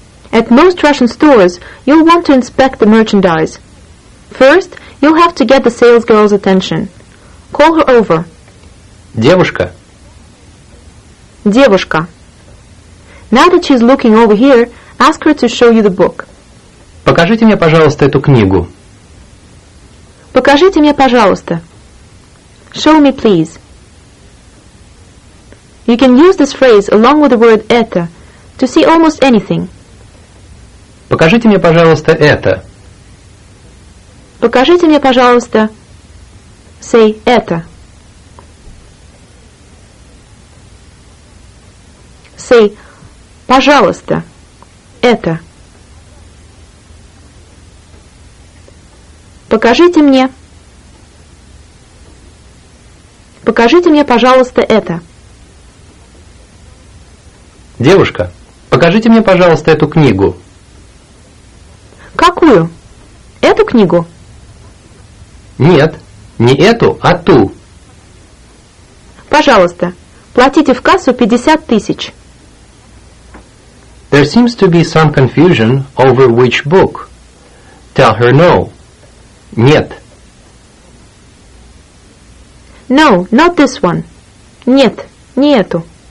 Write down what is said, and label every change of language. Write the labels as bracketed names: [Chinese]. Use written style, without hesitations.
[English] At most Russian stores, you'll want to inspect the merchandise. First, you'll have to get the sales girl's attention. Call her over. [Russian] Девушка. Девушка. [English] Now that she's looking over here, ask her to show you the book. [Russian] Покажите мне, пожалуйста, эту книгу. Покажите мне, пожалуйста. [English] Show me, please. You can use this phrase along with the word это to see almost anything. [Russian] Покажите мне, пожалуйста, это. Покажите мне, пожалуйста, [English] say [Russian] это. [English] Say, [Russian] пожалуйста, это. Покажите мне. Покажите мне, пожалуйста, это. Девушка, покажите мне, пожалуйста, эту книгу. Какую? Эту книгу? Нет, не эту, а ту. Пожалуйста, платите в кассу 50 тысяч. [English] There seems to be some confusion over which book. Tell her no. [Russian] Нет. [English] No, not this one. [Russian] Нет, не эту.